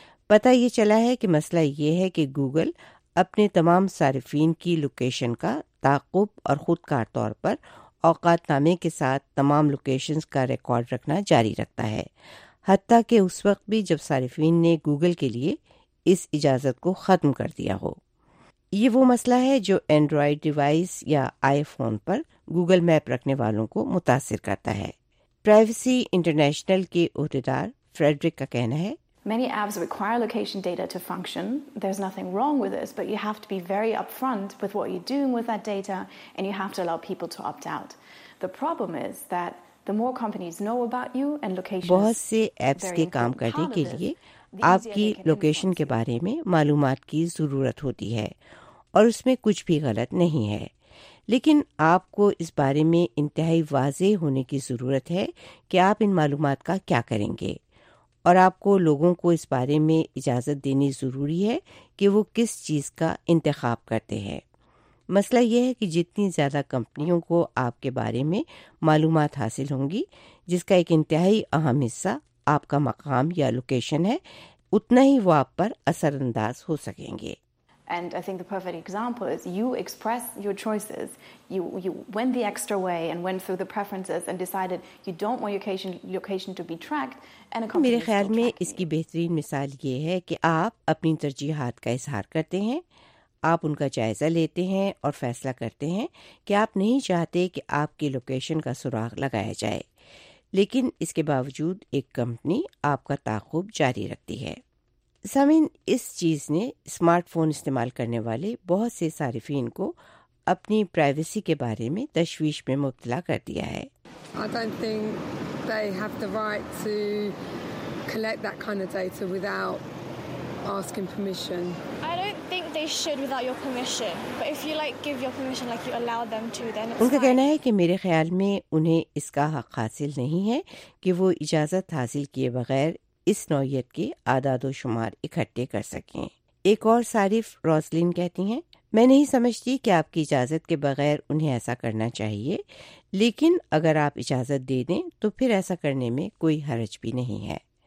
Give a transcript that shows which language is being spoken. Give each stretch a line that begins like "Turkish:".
Urdu: پتہ یہ چلا ہے کہ مسئلہ یہ ہے کہ گوگل اپنے تمام صارفین کی لوکیشن کا تعقب اور خود کار طور پر اوقات نامے کے ساتھ تمام لوکیشنز کا ریکارڈ رکھنا جاری رکھتا ہے، حتیٰ کہ اس وقت بھی جب صارفین نے گوگل کے لیے اس اجازت کو ختم کر دیا ہو۔ یہ وہ مسئلہ ہے جو اینڈرائیڈ ڈیوائس یا آئی فون پر گوگل میپ رکھنے والوں کو متاثر کرتا ہے۔ پرائیویسی انٹرنیشنل کے عہدیدار فریڈرک کا کہنا ہے،
English: Many apps require location data to function. There's nothing wrong with this, but you have to be very upfront with what you're doing with that data, and you have to allow people to opt out. The problem is that the more companies know about you and location,
Urdu: بہت سے apps کے کام کرنے کے لیے آپ کی location کے بارے میں معلومات کی ضرورت ہوتی ہے، اور اس میں کچھ بھی غلط نہیں ہے، لیکن آپ کو اس بارے میں انتہائی واضح ہونے کی ضرورت ہے کہ آپ ان معلومات کا کیا کریں گے، اور آپ کو لوگوں کو اس بارے میں اجازت دینی ضروری ہے کہ وہ کس چیز کا انتخاب کرتے ہیں۔ مسئلہ یہ ہے کہ جتنی زیادہ کمپنیوں کو آپ کے بارے میں معلومات حاصل ہوں گی، جس کا ایک انتہائی اہم حصہ آپ کا مقام یا لوکیشن ہے، اتنا ہی وہ آپ پر اثر انداز ہو سکیں گے۔
English: And I think the perfect example is you express your choices. You went the extra way and went through the preferences and decided you don't want your location to be tracked.
Urdu: میرے خیال میں اس کی بہترین مثال یہ ہے کہ آپ اپنی ترجیحات کا اظہار کرتے ہیں، آپ ان کا جائزہ لیتے ہیں اور فیصلہ کرتے ہیں کہ آپ نہیں چاہتے کہ آپ کی لوکیشن کا سراغ لگایا جائے، لیکن اس کے باوجود ایک کمپنی آپ کا تعاقب جاری رکھتی ہے۔ سامعین، اس چیز نے اسمارٹ فون استعمال کرنے والے بہت سے صارفین کو اپنی پرائیویسی کے بارے میں تشویش میں مبتلا کر دیا ہے۔
English: I don't think they have the right to collect that kind of data without asking permission. I don't think they should without your permission. But if you like give your permission like you allow them to then it's fine.
Urdu: ان کا کہنا ہے کہ میرے خیال میں انہیں اس کا حق حاصل نہیں ہے کہ وہ اجازت حاصل کیے بغیر اس نوعیت کے اعداد و شمار اکٹھے کر سکیں۔ ایک اور صارف روزلین کہتی ہیں، میں نہیں سمجھتی کہ آپ کی اجازت کے بغیر انہیں ایسا کرنا چاہیے، لیکن اگر آپ اجازت دے دیں تو پھر ایسا کرنے میں کوئی حرج بھی نہیں ہے۔